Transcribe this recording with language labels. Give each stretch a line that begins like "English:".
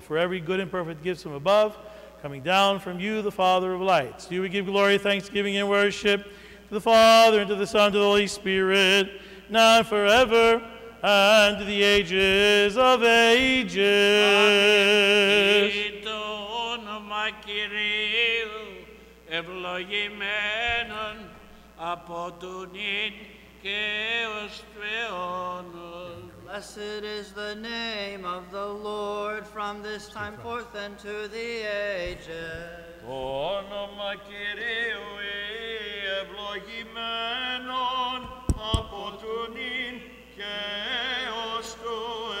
English: For every good and perfect gift from above, coming down from you, the Father of lights, do we give glory, thanksgiving, and worship to the Father, and to the Son, and to the Holy Spirit, now and forever, and to the ages of ages.
Greek: Κυρίου ευλογημένων από του νυν και ως του αιώνων.
English: Blessed is the name of the Lord from this time forth and to the ages.
Greek: Το όνομα Κυρίου ευλογημένων από του νυν και ως του αιώνων.